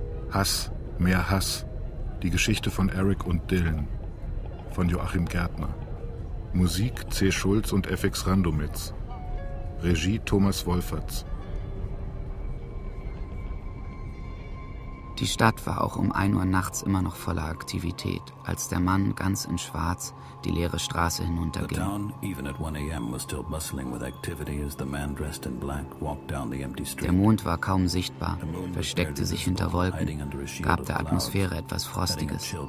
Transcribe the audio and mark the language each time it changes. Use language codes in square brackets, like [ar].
[de] Hass, mehr Hass. Die Geschichte von Eric und Dylan. Von Joachim Gärtner. Musik C. Schulz und FX Randomitz. Regie Thomas Wolferts. Die Stadt war auch um 1 Uhr nachts immer noch voller Aktivität, als der Mann ganz in Schwarz die leere Straße hinunterging. [en] The town, even at 1 a.m., was still bustling with activity as the man dressed in black walked down the empty street. [de] Der Mond war kaum sichtbar, versteckte sich hinter Wolken, gab der Atmosphäre etwas Frostiges.